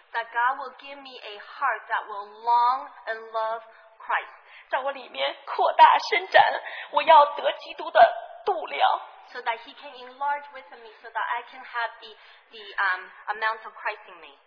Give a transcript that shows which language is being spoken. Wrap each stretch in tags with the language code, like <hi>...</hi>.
<en>that God will give me a heart that will long and love Christ.</en> <zh>在我里面扩大伸展, 我要得基督的度量,</zh> <en>so that he can enlarge with me, so that I can have the amount of Christ in me.</en>